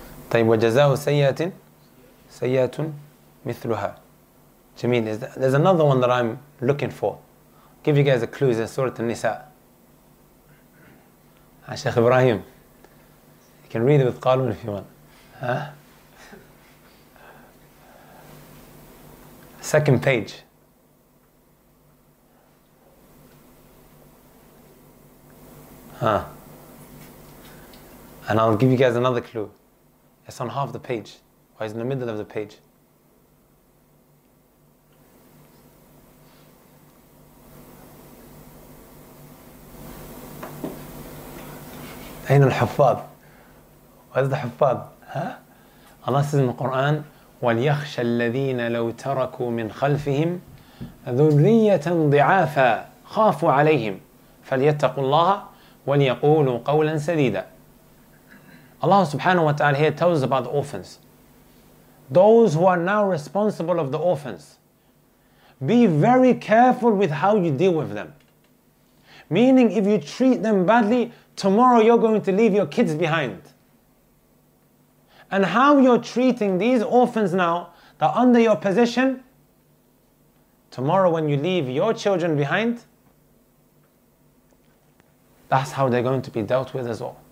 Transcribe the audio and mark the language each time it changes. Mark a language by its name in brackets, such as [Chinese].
[Arabic] طيب وَجَزَاهُ سَيَّاتٍ سَيَّاتٌ مِثْلُهَا. [English] Jameel, there's another one that I'm looking for. I'll give you guys a clue. It's in Surah An-Nisa. Shaykh Ibrahim. You can read it with Qalun if you want. Huh? Second page. Huh. And I'll give you guys another clue. It's on half the page. Or it's in the middle of the page. [Arabic] أين الحفاظ؟ [English] Where's the حفاظ? Huh? Allah says in the Quran, [Arabic] وليخشى الذين لو تركوا من خلفهم ذرية ضعافا خافوا عليهم فليتقوا الله وليقولوا قولا سديدا. [English] Allah subhanahu wa ta'ala here tells about orphans. those who are now responsible of the orphans. Be very careful with how you deal with them. Meaning, if you treat them badly, tomorrow you're going to leave your kids behind. And how you're treating these orphans now that are under your position, tomorrow when you leave your children behind, that's how they're going to be dealt with as well.